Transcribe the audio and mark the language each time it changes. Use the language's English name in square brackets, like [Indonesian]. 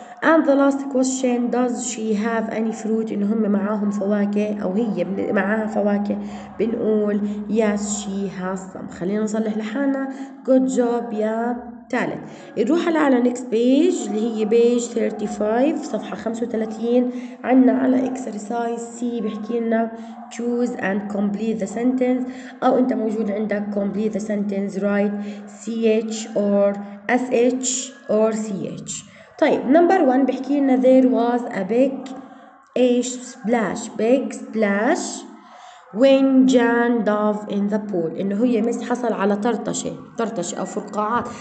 [English] And the last question, does she have any fruit? [Arabic] إن هم معاهم فواكه أو هي معاها فواكه. بنقول yes she has some. خلينا نصلح لحالنا. Good job يا تالت. نروح على next page اللي هي page 35 صفحة 35. عنا على exercise C بحكي لنا choose and complete the sentence. أو أنت موجود عندك complete the sentence write ch or sh or ch. [English] طيب number one بحكي لنا there was a big splash, big splash when Jan dove in the pool. [Arabic] إنه هي مس حصل على طرطشة أو فرقاعات.